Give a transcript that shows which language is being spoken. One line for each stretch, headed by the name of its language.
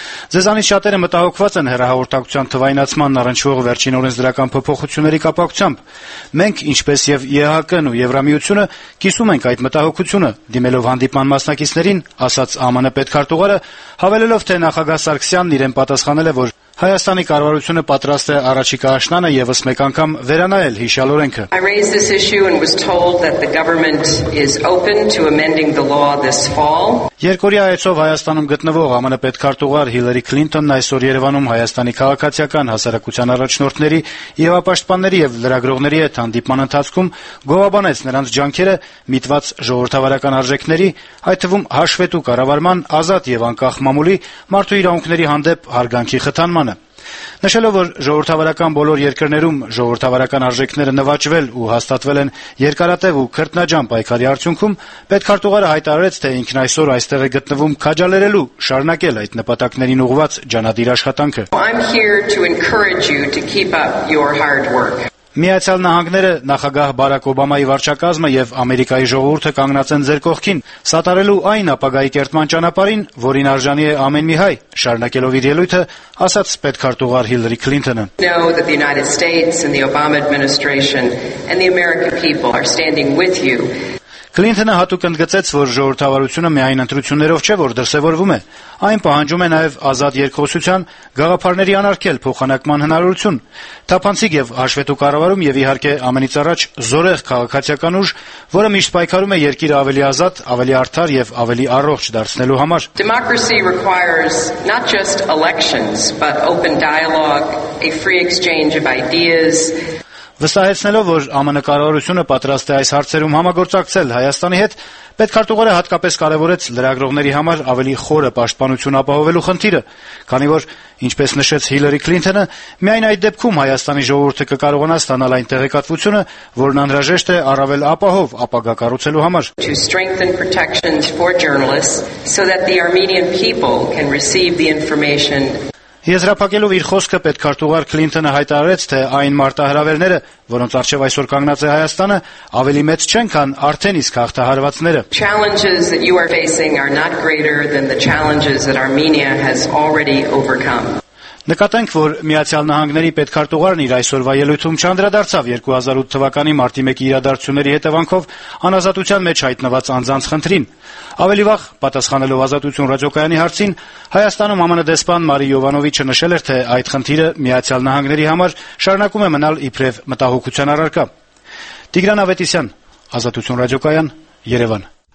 Armenian: Ձեզանից շատերը մտահոգված են հերահաղորդակցության թվայնացման առնչվող վերջին օրենսդրական փոփոխությունների կապակցությամբ։ Մենք, ինչպես և ԵՀԿ-ն ու Եվրամիությունը, կիսում ենք այդ մտահոգությունը, դիմելով հանդիպման մասնակիցներին, ասաց ԱՄՆ պետքարտուղարը, հավելելով, թե նախագահ Սարգսյանն իրեն պատասխանել է, որ Հայաստանի կառավարությունը պատրաստ է առաջիկա աշնանը եւս մեկ անգամ վերանայել հիշյալ օրենքը։
English: I raised this issue and was told that the government is open to amending the law this fall.
Armenian: Երկորդ այցով Հայաստանում գտնվող ԱՄՆ պետքարտուղար Հիլլարի Քլինթոնն այսօր Երևանում Հայաստանի քաղաքացիական հասարակության առաջնորդների, իրավապաշտպանների եւ լրագրողների հետ հանդիպման ընթացքում գովաբանեց նրանց ջանքերը միտված ժողովրդավարական արժեքների, այդ թվում հաշվետու կառավարման, ազատ եւ անկախ մամուլի, մարդու իրավունքների հանդեպ հարգանքի խթան մանը։ Նշելով, որ ժողովրդավարական բոլոր երկրներում ժողովրդավարական արժեքները նվաճվել ու հաստատվել են երկարատև ու քրտնաջան պայքարի արդյունքում, պետքարտուղարը հայտարարեց, թե ինքն այսօր այստեղ է գտնվում քաջալերելու շարունակել այդ նպատակներին ուղված ջանադիր աշխատանքը։ Միացյալ Նահանգները, նախագահ Բարակ Օբամայի վարչակազմը և Ամերիկայի ժողովուրդը կանգնած են ձեր կողքին, սատարելու այն ապագայի կերտման ճանապարհին, որին արժանի է ամեն մի հայ, շարունակելով իր ելույթը, ասաց պետքարտուղար Հիլլարի Քլինթոնը.
English: The United States and the Obama administration and the American people are standing with you.
Armenian: Քլինթոնը հատուկ ընդգծեց, որ ժողովրդավարությունը միայն ընտրություններով չէ, որ դրսևորվում է, այն պահանջում է նաև ազատ երկխոսության, գաղափարների անարգել փոխանակման հնարավորություն, թափանցիկ և հաշվետու կառավարում և, իհարկե, ամենից առաջ զորեղ քաղաքացիական ուժ, որը միշտ պայքարում է երկիրը ավելի ազատ, ավելի արդար և ավելի առողջ դարձնելու համար։
English: Democracy requires not just elections, but open dialogue, a free exchange of ideas.
Armenian: Վստահեցնելով, որ ԱՄՆ կառավարությունը պատրաստ է այս հարցերում համագործակցել Հայաստանի հետ, պետքարտուղարը հատկապես կարևորեց լրագրողների համար ավելի խորը պաշտպանություն ապահովելու խնդիրը, քանի որ, ինչպես նշեց Հիլարի Քլինթոնը, միայն այդ դեպքում Հայաստանի ժողովուրդը կկարողանա ստանալ այն տեղեկատվությունը, որն անհրաժեշտ է առավել ապահով ապագա կառուցելու համար.
English: To strengthen protections for journalists so that the Armenian people can receive the information.
Armenian: Եզրափակելով իր խոսքը պետքարտուղար Քլինթոնը հայտարարեց, թե այն մարտահրավերները, որոնց առջև այսօր կանգնած է Հայաստանը, ավելի մեծ չեն, քան արդեն իսկ հաղթահարվածները.
English: Challenges that you are facing are not greater than the challenges that Armenia has already overcome.
Armenian: Նկատենք, որ Միացյալ Նահանգների պետքարտուղարն իր այսօրվա ելույթում չանդրադարձավ 2008 թվականի մարտի 1-ի իրադարձությունների հետևանքով անազատության մեջ հայտնված անձանց խնդրին։ Ավելի վաղ, պատասխանելով Ազատություն ռադիոկայանի հարցին, Հայաստանում ԱՄՆ դեսպան Մարի Յովանովիչը նշել էր, թե այդ խնդիրը Միացյալ Նահանգների համար շարունակում է մնալ իբրև մտահոգության առարկա։ Տիգրան Ավետիսյան, Ազատություն ռադիոկայան, Երևան։